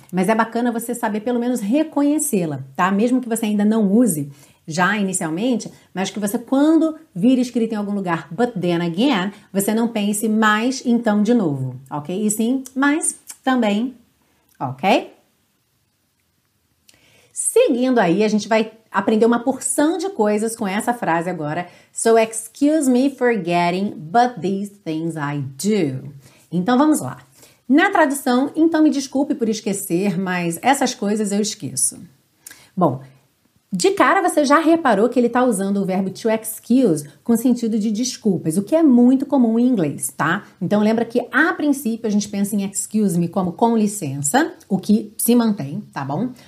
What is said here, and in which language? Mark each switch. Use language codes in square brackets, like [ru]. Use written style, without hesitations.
[pt] Mas é bacana você saber pelo menos reconhecê-la, tá? Mesmo que você ainda não use já inicialmente, mas que você quando vir escrito em algum lugar, [en] but then again, [pt] você não pense mais então de novo, ok? E sim, mas também, ok? Seguindo aí, a gente vai aprender uma porção de coisas com essa frase agora. [en] So, excuse me for getting, but these things I do. [pt] Então, vamos lá. Na tradução, então me desculpe por esquecer, mas essas coisas eu esqueço. Bom, De cara, você já reparou que ele tá usando o verbo to excuse com sentido de desculpas, o que é muito comum em inglês, tá? Então, lembra que, a princípio, a gente pensa em excuse me como com licença, o que se mantém, tá bom?